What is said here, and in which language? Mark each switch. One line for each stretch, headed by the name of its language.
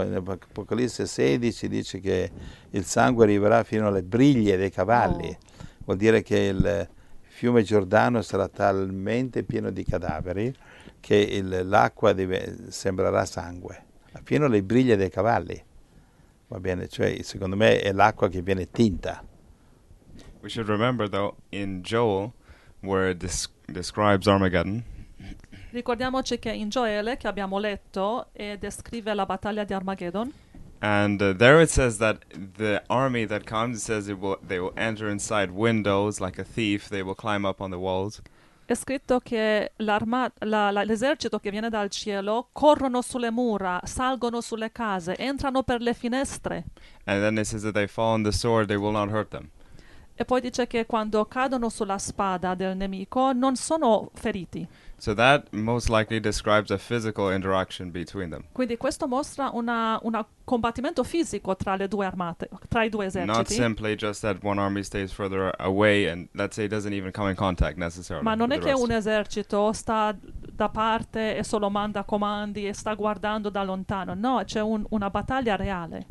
Italian: In Apocalisse 16 dice che il sangue arriverà fino alle briglie dei cavalli. Oh. Vuol dire che il fiume Giordano sarà talmente pieno di cadaveri che l'acqua sembrerà sangue, fino alle briglie dei cavalli. Va bene, cioè secondo me è l'acqua che viene tinta.
English: We should remember though, in Joel, where it describes Armageddon.
Italian: Ricordiamoci che in Gioele, che abbiamo letto, descrive la battaglia di Armageddon.
English: And there it says that the army that comes, says they will enter inside windows like a thief, they will climb up on the walls.
Italian: È scritto che l'esercito che viene dal cielo corrono sulle mura, salgono sulle case, entrano per le finestre.
English: And then it says that they fall on the sword, they will not hurt them.
Italian: E poi dice che quando cadono sulla spada del nemico non sono feriti.
English: So that most likely describes a physical interaction between them.
Italian: Quindi questo mostra un combattimento fisico tra le due armate, tra i due eserciti.
English: Not simply just that one army stays further away and let's say doesn't even come in contact necessarily.
Italian: Ma non è che
English: rest.
Italian: Un esercito sta da parte e solo manda comandi e sta guardando da lontano. No, c'è una battaglia reale.